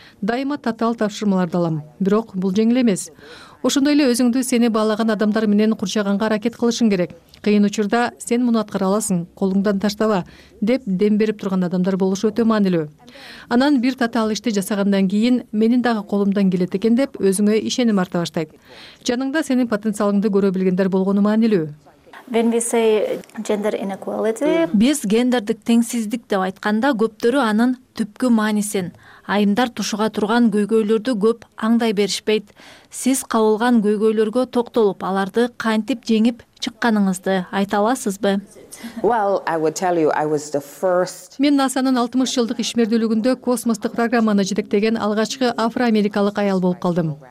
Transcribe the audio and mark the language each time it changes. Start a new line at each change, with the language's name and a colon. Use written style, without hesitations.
Kyrgyz: Дайыма татаал тапшырмаларды алам, бирок бул жеңил эмес. Ошондой эле өзүңдү сени баалаган адамдар менен курчаганга аракет кылышың керек. Кыйын учурда сен муну аткара аласың, колуңдан таштаба деп дем берип турган адамдар болушу өтө маанилүү. Анан бир татаал ишти жасагандан кийин менин дагы колумдан келет экен деп өзүңө ишеним арта баштайт. Жаныңда сенин потенциалыңды көрө билгендер болгону маанилүү.
English: When we say gender inequality,
Kyrgyz: биз гендердик теңсиздик деп айтканда көптөрү анын түпкү маанисин, айымдар тушуга турган көйгөйлөрдү көп аңдай беришпейт. Сиз кабылган көйгөйлөргө токтолуп, аларды кантип жеңип чыкканыңызды айта аласызбы? Мен NASA'нын 60 жылдык ишмердүүлүгүндө космостук программаны жетектеген алгачкы афроамерикалык аял болуп калдым.